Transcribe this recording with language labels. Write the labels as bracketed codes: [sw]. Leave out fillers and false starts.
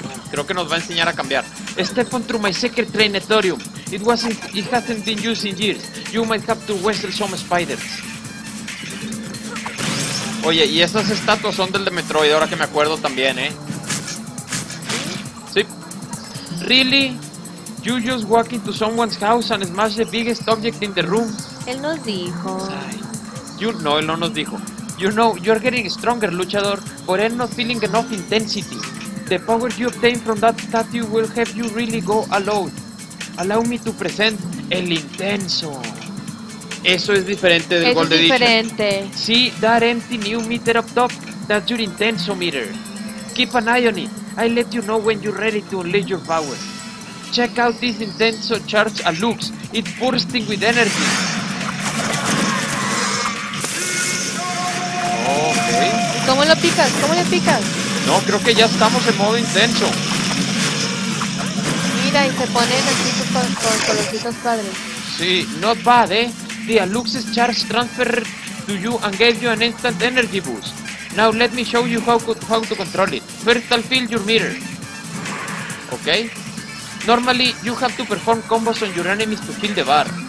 [es] Creo que nos va a enseñar a cambiar. [en] Step onto my secret trainatorium. It hasn't been used in years. You might have to wrestle some spiders. [es] Oye, y esas estatuas son del de Metroid, ahora que me acuerdo también, ¿eh? Sí. [en] Really? You just walk into someone's house and smash the biggest object in the room. [es] Él nos dijo. Él no nos dijo. [en] You know, you're getting stronger, luchador, but I'm not feeling enough intensity. The power you obtain from that statue will help you really go alone. Allow me to present el intenso. [es] Eso es diferente del Gold Edition. Es diferente. [en] See that empty new meter up top? That's your intenso meter. Keep an eye on it. I'll let you know when you're ready to unleash your power. Check out this intenso charge at Lux. It's bursting with energy. Okay. [es] ¿Cómo le picas? No, creo que ya estamos en modo intenso. mira, y se ponen así con colorcitos padres. Sí, [en] not bad, eh. The Aluxes charge transfer to you and gave you an instant energy boost. Now let me show you how to control it. First, I'll fill your meter. Okay. Normally, you have to perform combos on your enemies to fill the bar.